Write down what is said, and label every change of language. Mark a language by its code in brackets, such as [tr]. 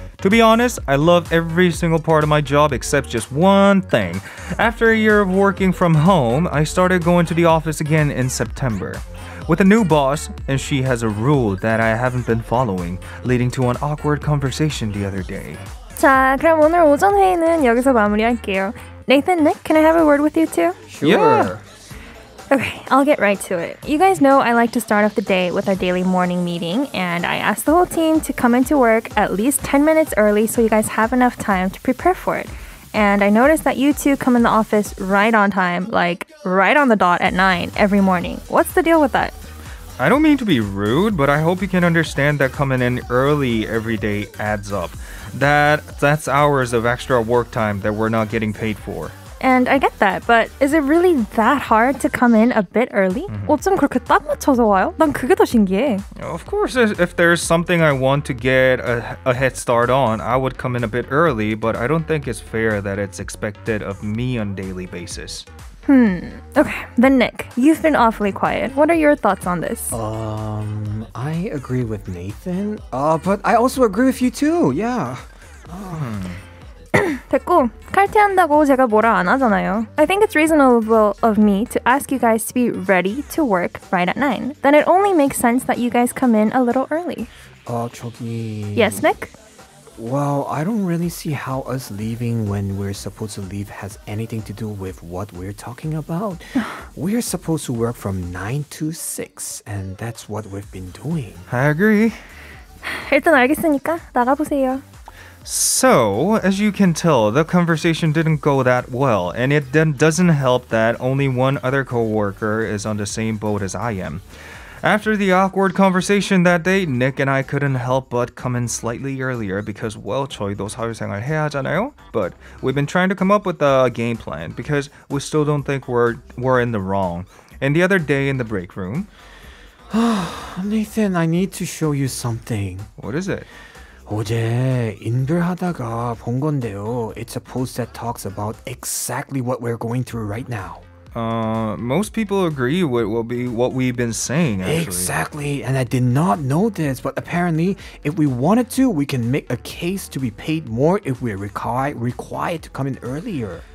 [en] To be honest, I love every single part of my job except just one thing. After a year of working from home, I started going to the office again in September. With a new boss, and she has a rule that I haven't been following, leading to an awkward conversation the other day. [ko] 자, 그럼 오늘 오전 회의는 여기서 마무리할게요. [en] Nathan, Nick, can I have a word with you too? Sure. Yeah. Okay, I'll get right to it. You guys know I like to start off the day with our daily morning meeting, and I asked the whole team to come into work at least 10 minutes early so you guys have enough time to prepare for it. And I noticed that you two come in the office right on time, like right on the dot at 9 every morning. What's the deal with that? I don't mean to be rude, but I hope you can understand that coming in early every day adds up. That's hours of extra work time that we're not getting paid for. And I get that, but is it really that hard to come in a bit early? [ko] 옷좀 그렇게 딱 맞춰서 와요? 난 그게 더 신기해. [en] Of course, if there's something I want to get a head start on, I would come in a bit early, but I don't think it's fair that it's expected of me on a daily basis. Okay, then Nick, you've been awfully quiet. What are your thoughts on this? I agree with Nathan, but I also agree with you too, yeah. [ko] 됐고, 칼퇴한다고 제가 뭐라 안 하잖아요. [en] I think it's reasonable of me to ask you guys to be ready to work right at 9. Then it only makes sense that you guys come in a little early. [ko] 저기... [en] Yes, Nick? Well, I don't really see how us leaving when we're supposed to leave has anything to do with what we're talking about. We're supposed to work from 9 to 6, and that's what we've been doing. I agree. [ko] 일단 알겠으니까 나가보세요. [en] So, as you can tell, the conversation didn't go that well, and it doesn't help that only one other coworker is on the same boat as I am. After the awkward conversation that day, Nick and I couldn't help but come in slightly earlier because, well, [ko] 저희도 사회생활 해야 하잖아요? [en] But we've been trying to come up with a game plan because we still don't think we're in the wrong. And the other day in the break room... Nathan, I need to show you something. What is it? [ko] 어제 인별하다가 본 건데요. [en] It's a post that talks about exactly what we're going through right now. Most people agree with what we've been saying, actually. Exactly, and I did not know this, but apparently, if we wanted to, we can make a case to be paid more if we're required to come in earlier.